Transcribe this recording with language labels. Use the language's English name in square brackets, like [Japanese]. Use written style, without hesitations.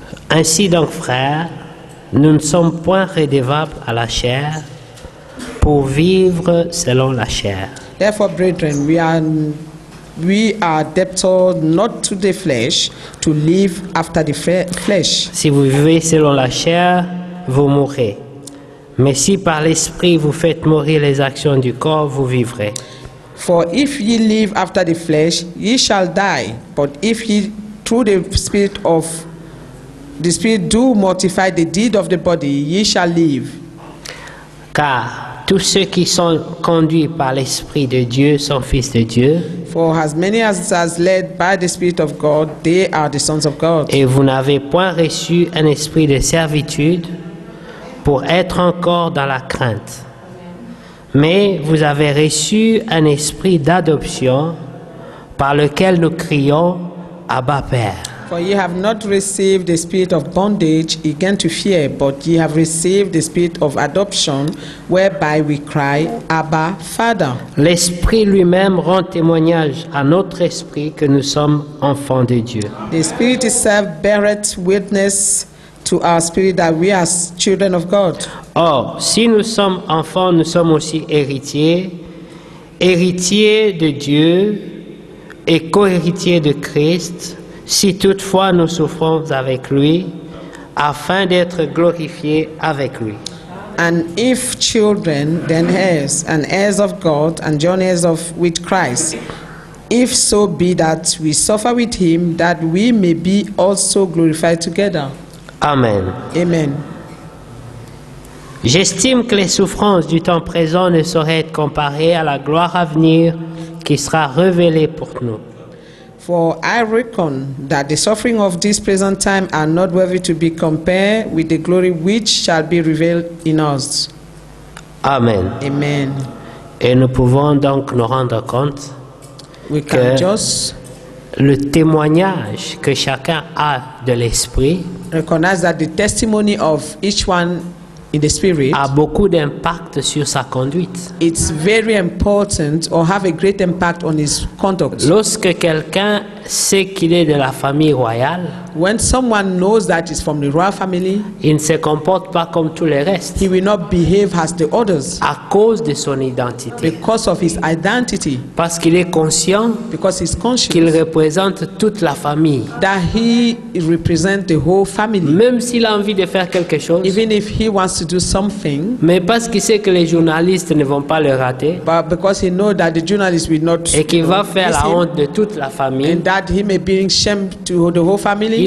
[French] Ainsi donc, frères, nous ne sommes point redevables à la chair pour vivre selon la chair. [English] Therefore, brethren, we are debtors not to the flesh to live after the flesh. [French] Si vous vivez selon la chair, vous mourrez. Mais si par l'esprit vous faites mourir les actions du corps, vous vivrez. [English] For if ye live after the flesh, ye shall die. But if ye through the spirit do mortify the deed of the body, ye shall live. [French] Car tous ceux qui sont conduits par l'esprit de Dieu sont fils de Dieu. [English] For as many as led by the spirit of God, they are the sons of God. [French] Et vous n'avez point reçu un esprit de servitude pour être encore dans la crainte. Mais vous avez reçu un esprit d'adoption par lequel nous crions Abba Père. [English] For ye have not received the spirit of bondage again to fear, but ye have received the spirit of adoption, whereby we cry, Abba, Father. [French] L'Esprit lui-même rend témoignage à notre esprit que nous sommes enfants de Dieu. [English] The Spirit itself beareth witness to our spirit that we are children of God. [French] Or, si nous sommes enfants, nous sommes aussi héritiers, héritiers de Dieu et co-héritiers de Christ, si toutefois nous souffrons avec lui, afin d'être glorifiés avec lui. [English] And if children, then heirs, and heirs of God, and joint heirs of with Christ, if so be that we suffer with him, that we may be also glorified together. Amen. Amen. [French] J'estime que les souffrances du temps présent ne sauraient être comparées à la gloire à venir qui sera révélée pour nous. [English] For I reckon that the suffering of this present time are not worthy to be compared with the glory which shall be revealed in us. Amen. Amen. [French] Et nous pouvons donc nous rendre compte [English] we can [French] que [English] just [French] le témoignage que chacun a de l'Esprit [English] recognize that the testimony of each one in the spirit [French] a beaucoup d'impact sur sa conduite. [English] It's very important or have a great impact on his conduct. [French] Lorsque quelqu'un sait qu'il est de la famille royale, [English] when someone knows that he's from the royal family, [French] il ne se comporte pas comme tous les restes. [English] He will not behave as the others. [French] À cause de son identité. [English] Because of his identity. [French] Parce qu'il est conscient. [English] Because he's conscious. [French] Qu'il représente toute la famille. [English] That he represents the whole family. [French] Même s'il a envie de faire quelque chose. [English] Even if he wants to do something. [French] Mais parce qu'il sait que les journalistes ne vont pas le rater. [English] But because he knows that the journalists will not. [French] Et qu'il va faire la honte de toute la famille. [English] And that he may bring shame to the whole family.